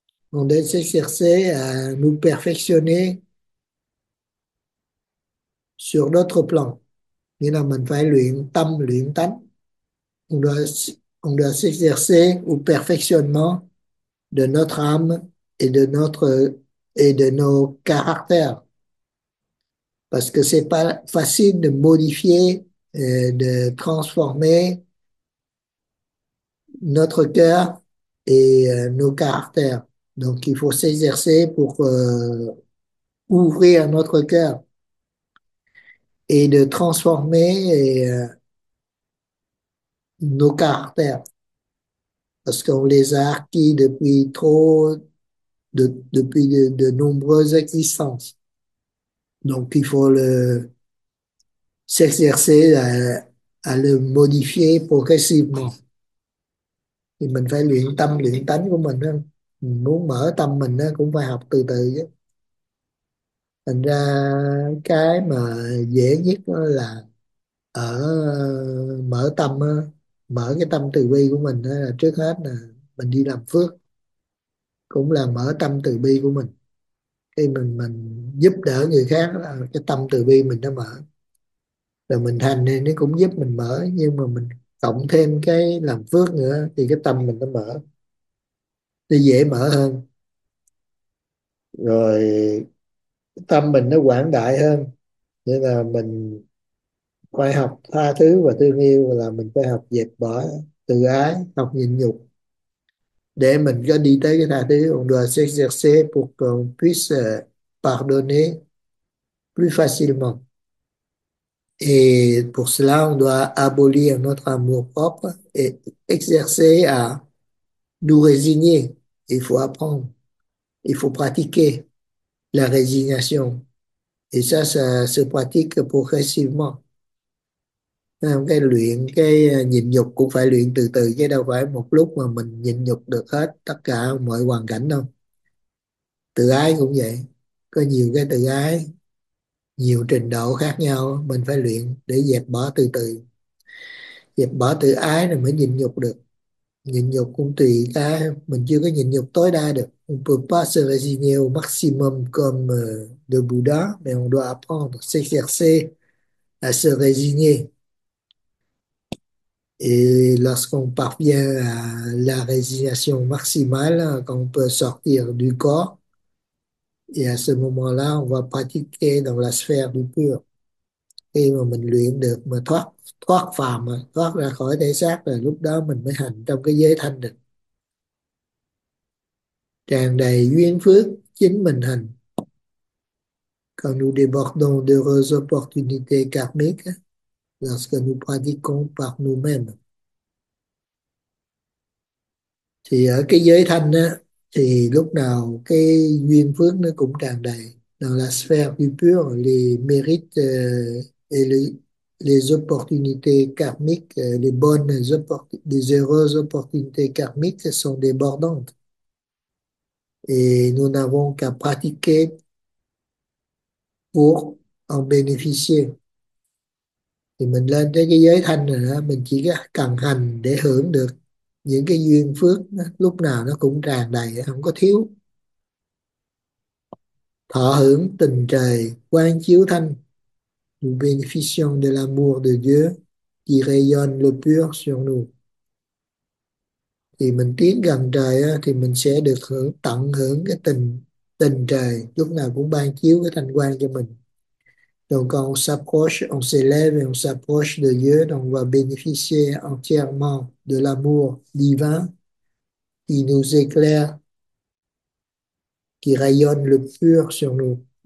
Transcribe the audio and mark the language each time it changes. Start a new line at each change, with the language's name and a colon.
French: On doit s'exercer à nous perfectionner sur d'autres plans.
Vietnamese: Nghĩa là mình phải luyện tâm, luyện tánh.
French: On doit s'exercer au perfectionnement de notre âme et de nos caractères. Parce que c'est pas facile de modifier et de transformer notre cœur et nos caractères. Donc il faut s'exercer pour ouvrir notre cœur et de transformer nos caractères. Parce qu'on les a acquis depuis de nombreuses existences. Donc, il faut s'exercer à le modifier progressivement.
Vietnamese: Thì mình phải luyện tâm, luyện tánh của mình. Mình muốn mở tâm mình cũng phải học từ từ chứ. Thành ra cái mà dễ nhất là ở mở tâm, mở cái tâm từ bi của mình là trước hết là mình đi làm phước, cũng là mở tâm từ bi của mình. Khi mình giúp đỡ người khác là cái tâm từ bi mình đã mở rồi, mình thành thì nó cũng giúp mình mở, nhưng mà mình cộng thêm cái làm phước nữa thì cái tâm mình nó mở, nó dễ mở hơn, rồi tâm mình nó quảng đại hơn. Nên là mình phải học tha thứ và thương yêu, là mình phải học dẹp bỏ tự ái, học nhịn nhục để mình có đi tới cái tha thứ.
French: On doit s'exercer pour qu'on puisse pardonner plus facilement. Et pour cela, on doit abolir notre amour propre et exercer à nous résigner. Il faut apprendre. Il faut pratiquer la résignation. Et ça se pratique progressivement.
Vietnamese: Cái luyện cái nhịn nhục cũng phải luyện từ từ chứ đâu phải một lúc mà mình nhịn nhục được hết tất cả mọi hoàn cảnh đâu. Tự ái cũng vậy, có nhiều cái tự ái nhiều trình độ khác nhau, mình phải luyện để dẹp bỏ từ từ, dẹp bỏ tự ái rồi mới nhịn nhục được. Nhịn nhục cũng tùy cái, mình chưa có nhịn nhục tối đa được.
French: On peut pas se résigner au maximum comme le Bouddha, mais on doit apprendre, s'exercer à se résigner. Et lorsqu'on parvient à la résignation maximale, qu'on peut sortir du corps, et à ce moment-là, on va pratiquer dans la sphère du pur.
Vietnamese: Et mà mình luyện được, mà thoát thoát phàm, mà thoát ra khỏi thể xác, là lúc đó mình mới hành trong cái giới thanh định. Tràn đầy duyên phước, chính mình hành.
French: Quand nous débordons d'heureuses opportunités karmiques, lorsque nous pratiquons par nous-mêmes.
Vietnamese: Thì ở cái giới thanh á, thì lúc nào cái duyên phước nó cũng tràn đầy.
French: Dans la sphère du pur, les mérites et les opportunités karmiques, les bonnes les heureuses opportunités karmiques sont débordantes. Et nous n'avons qu'à pratiquer pour en bénéficier.
Vietnamese: Thì mình lên tới cái giới thanh rồi đó, mình chỉ cần hành để hưởng được những cái duyên phước đó, lúc nào nó cũng tràn đầy, không có thiếu. Thọ hưởng tình trời quang chiếu thanh.
French: Nous bénéficions de l'amour de Dieu qui rayonne le pur sur nous.
Vietnamese: Thì mình tiến gần trời á, thì mình sẽ được hưởng tận hưởng cái tình tình trời lúc nào cũng ban chiếu cái thanh quang cho mình.
French: Donc on s'approche, on s'élève, on s'approche de Dieu, donc on va bénéficier entièrement de l'amour divin qui nous éclaire, qui rayonne le pur sur nous.